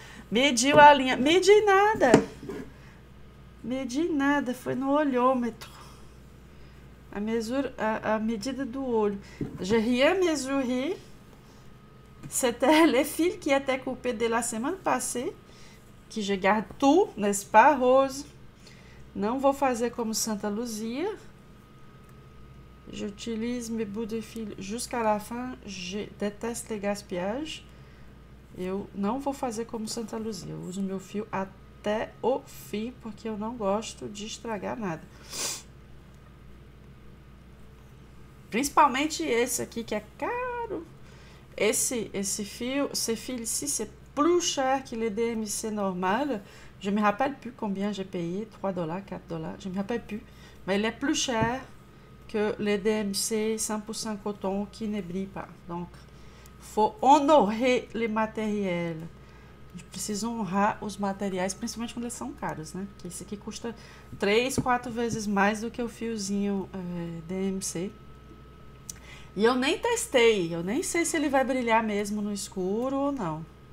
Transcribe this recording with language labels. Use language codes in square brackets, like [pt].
[pt] Mediu a linha. Medi nada. Medi nada. Foi no olhômetro. A medida do olho. [fr] Je rien mesuré. C'était le fil qui était coupé de la semaine passée. Que je garde tout, n'est-ce pas, Rose? [pt] Não vou fazer como Santa Luzia. [fr] J'utilise mes bouts de fil jusqu'à la fin. Je déteste les gaspillages. [pt] Eu não vou fazer como Santa Luzia. Eu uso meu fio até o fim, porque eu não gosto de estragar nada. Principalmente esse aqui, que é caro. Esse fio, [fr] esse fil ici, c'est plus cher que le DMC normal. Je me rappelle plus combien j'ai payé. 3 dollars, 4 dollars. Je me rappelle plus. Mais il est plus cher que le DMC 100% coton qui ne brille pas. Donc. Faut honorer les matériels. [pt] A gente precisa honrar os materiais, principalmente quando eles são caros, né? Que esse aqui custa 3, 4 vezes mais do que o fiozinho DMC. E eu nem testei, eu nem sei se ele vai brilhar mesmo no escuro ou não.